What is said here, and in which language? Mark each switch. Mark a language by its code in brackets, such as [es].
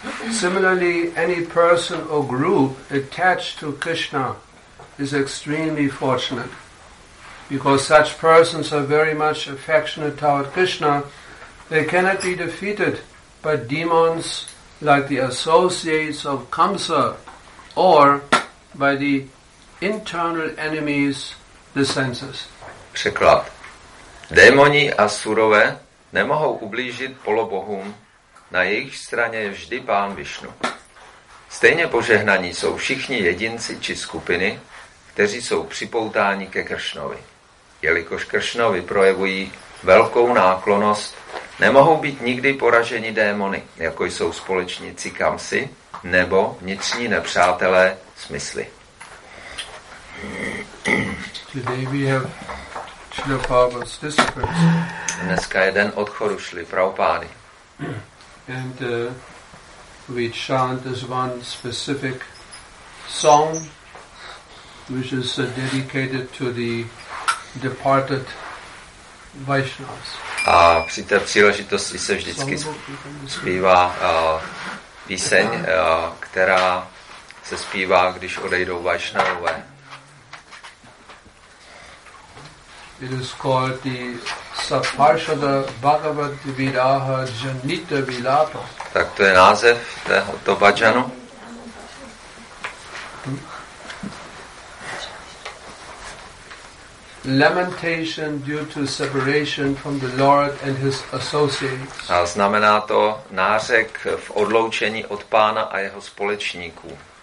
[en] Similarly, any person or group attached to Krishna is extremely fortunate, because such persons are very much affectionate toward Krishna. They cannot be defeated by demons like the associates of Kamsa, or by the internal enemies, the senses. [cs] Překlad. Démoni a surové nemohou ublížit polobohům, na jejich straně je vždy pán Vishnu. Stejně požehnaní jsou všichni jedinci či skupiny, kteří jsou připoutáni ke Kršnovi. Jelikož Kršnovi projevují velkou náklonost, nemohou být nikdy poraženi démony, jako jsou společníci Kamsi nebo vnitřní nepřátelé smysly. [en] Today we have Srila Prabhupada's disappearance. [cs] Dneska je den odchodu Srily Prabhupády. [en] And we chant this one specific song, which is dedicated to the departed Vaishnavas. [cs] A při té příležitosti se vždycky zpívá píseň, která se zpívá, když odejdou Vaishnavové. [en] It is called the Saparshada Bhagavad Viraha Janita Vilapa. [cs] Tak to je název tohoto bhajanu. [en] Lamentation due to separation from the Lord and his associates. [cs] A znamená to nářek v odloučení od pána a jeho společníků.